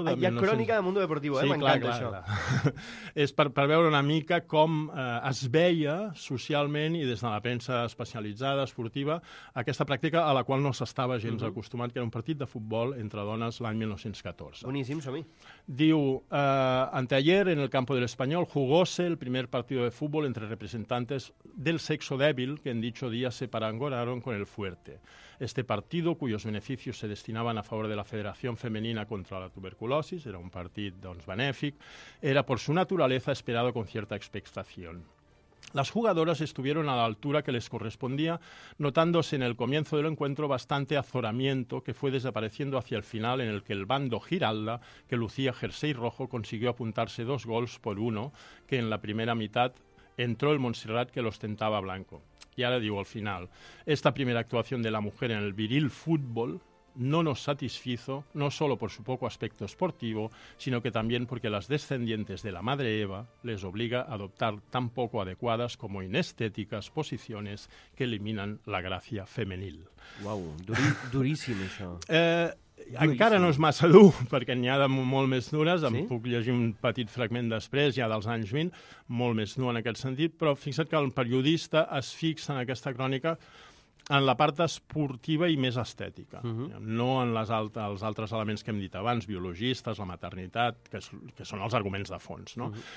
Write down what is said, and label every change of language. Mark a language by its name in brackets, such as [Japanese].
[Catalan] De hi ha 1900... crònica del Mundo Deportivo, sí, m'encanta clar, això. És per veure una mica com es veia socialment i des de la premsa especialitzada, esportiva, aquesta pràctica a la qual no s'estava gens acostumat, que era un partit de futbol entre dones l'any 1914. Boníssim, som-hi. [Spanish] Diu, anteayer en el campo del Español jugóse el primer partido de fútbol entre representantes del sexo débil que en dicho día se parangonaron con el fuerte. Este partido, cuyos beneficios se destinaban a favor de la Federación Femenina contra la Tuberculosis, [Catalan] era un partit doncs, benèfic, [Spanish] era por su naturaleza esperado con cierta expectación. Las jugadoras estuvieron a la altura que les correspondía, notándose en el comienzo del encuentro bastante azoramiento que fue desapareciendo hacia el final en el que el bando Giralda, que lucía jersey rojo, consiguió apuntarse 2-1, que en la primera mitad entró el Montserrat que lo ostentaba blanco. Y ahora digo al final, esta primera actuación de la mujer en el viril fútbol no nos satisfizo, no solo por su poco aspecto esportivo, sino que también porque las descendientes de la madre Eva les obliga a adoptar tan poco adecuadas como inestéticas posiciones que eliminan la gracia femenil. [Catalan] Uau, duríssim això. Encara no és massa dur, perquè n'hi ha de molt més dures, sí? Em puc llegir un petit fragment després, ja dels anys 20, molt més dur en aquest sentit, però fixa't que el periodista es fixa en aquesta crònica en la part esportiva i més estètica, no en els altres elements que hem dit abans, biologistes, la maternitat, que són els arguments de fons. No?